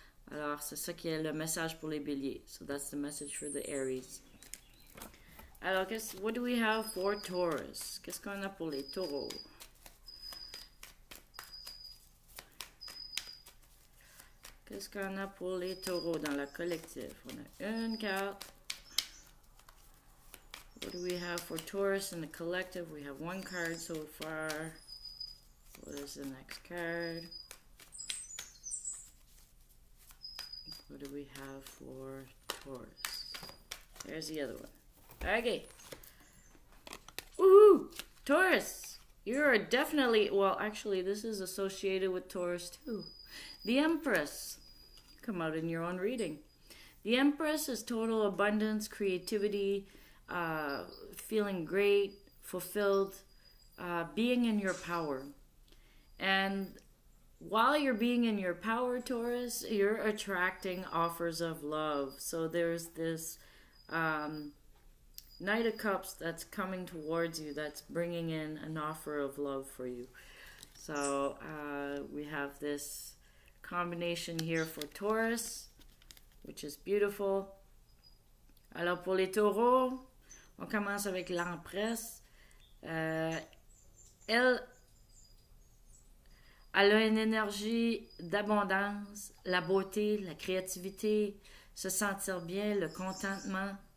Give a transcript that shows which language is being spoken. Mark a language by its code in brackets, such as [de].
[fr] Alors, c'est ça qui est le message pour les béliers. [en] So, that's the message for the Aries. Alors, what do we have for Taurus? [fr] Qu'est-ce qu'on a pour les taureaux? Qu'est-ce qu'on a pour les taureaux dans la collective? On a une carte. [en] What do we have for Taurus in the collective? We have one card so far. What is the next card? What do we have for Taurus? There's the other one. Okay. Woohoo! Taurus! You are definitely... Well, actually, this is associated with Taurus too. The Empress. Come out in your own reading. The Empress is total abundance, creativity... feeling great, fulfilled, being in your power. And while you're being in your power, Taurus, you're attracting offers of love. So there's this Knight of Cups that's coming towards you, that's bringing in an offer of love for you. So we have this combination here for Taurus, which is beautiful. [fr] Alors pour les taureaux, on commence avec l'Empresse. Elle a une énergie d'abondance, la beauté, la créativité, se sentir bien, le contentement.